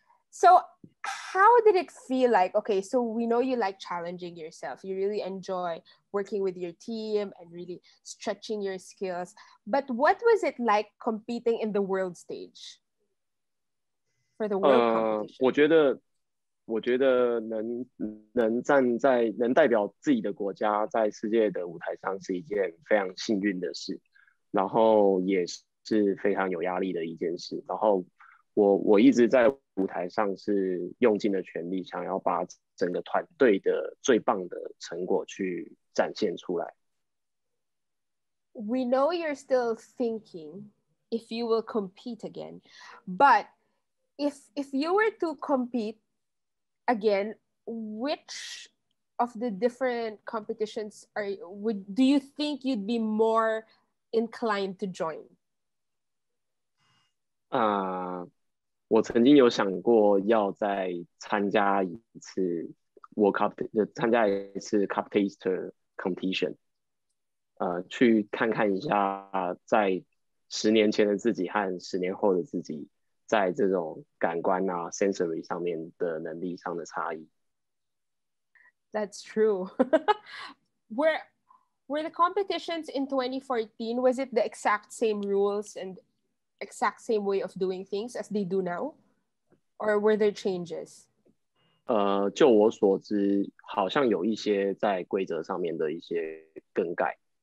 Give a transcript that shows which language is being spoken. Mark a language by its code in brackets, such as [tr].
[en] So, how did it feel like? Okay, so we know you like challenging yourself. You really enjoy working with your team and really stretching your skills. But what was it like competing in the world stage for the world competition? [zh] 我觉得我觉得 能代表自己的国家在世界的舞台上是一件非常幸运的事，然后也是非常有压力的一件事。然后 我一直在舞台上是用尽了全力，想要把整个团队的最棒的成果去展现出来。 [en] We know you're still thinking if you will compete again, but if you were to compete again, which of the different competitions are would do you think you'd be more inclined to join? [zh] 我曾经有想过要再参加一次 World Cup, 参加一次 Cup Taster competition。去看看一下在十年前的自己和十年后的自己在这种感官啊 sensory 上面的能力上的差异。 [en] That's true. were the competitions in 2014, was it the exact same rules and exact same way of doing things as they do now? Or were there changes? [zh] 就我所知好像有一些在规则上面的一些更改。